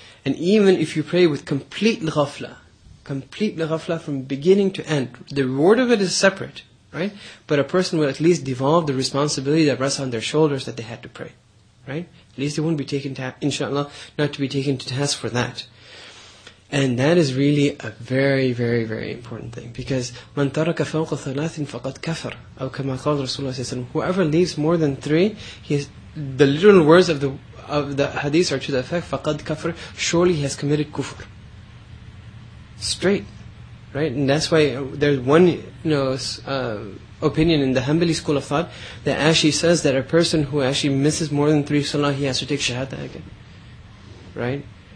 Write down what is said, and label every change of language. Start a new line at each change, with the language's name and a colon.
English: And even if you pray with complete ghafla from beginning to end, the reward of it is separate, right? But a person will at least devolve the responsibility that rests on their shoulders that they had to pray. Right? At least they won't be taken to, inshallah, not to be taken to task for that. And that is really a very, very, very important thing. Because
Arabic: مَنْ تَرَكَ فَوْقَ ثَلَاثٍ فَقَدْ كَفَرَ أَوْ كَمَا قَالَ رَسُولَ اللَّهِ سَلَّمَ.
English: Whoever leaves more than three, the literal words of the hadith are to the effect,
Arabic: فَقَدْ كَفَرَ,
English: surely he has committed kufr. Straight. Right? And that's why there's one, you know, opinion in the Hanbali school of thought that actually says that a person who actually misses more than three salah, he has to take shahada again. Right?